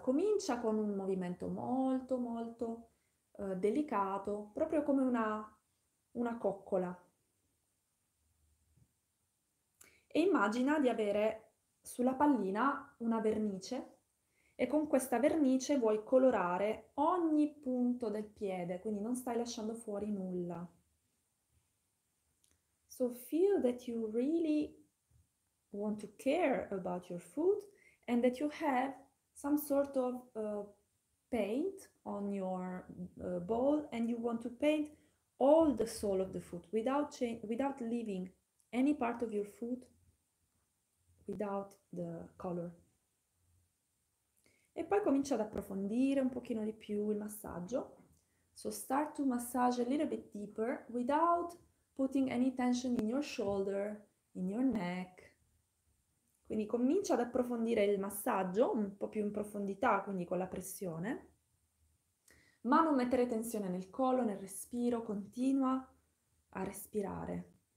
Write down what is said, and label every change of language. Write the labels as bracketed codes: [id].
[it] Comincia con un movimento molto, molto delicato, proprio come una coccola. E immagina di avere sulla pallina una vernice E con questa vernice vuoi colorare ogni punto del piede, quindi non stai lasciando fuori nulla. [en] So feel that you really want to care about your foot and that you have some sort of paint on your ball and you want to paint all the sole of the foot without leaving any part of your foot without the color. [it] E poi comincia ad approfondire un pochino di più il massaggio. [en] So start to massage a little bit deeper without putting any tension in your shoulder, in your neck. [it] Quindi comincia ad approfondire il massaggio un po' più in profondità, quindi con la pressione, ma non mettere tensione nel collo, nel respiro, continua a respirare.